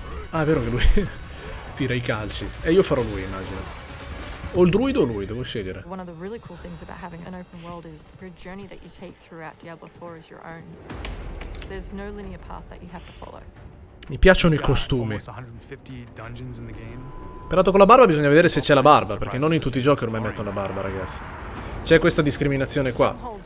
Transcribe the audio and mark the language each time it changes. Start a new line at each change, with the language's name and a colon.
Italian: Ah, è vero che lui tira i calci. E io farò lui, immagino. O il druido o lui, devo scegliere.
English: One of the really cool things about having an open world is your journey that you take throughout Diablo 4 is your own. There's no linear path that you have to follow.
Italian: Mi piacciono i costumi. Peraltro con la barba bisogna vedere se c'è la barba, perché non in tutti i giochi ormai mettono la barba, ragazzi. C'è questa discriminazione qua.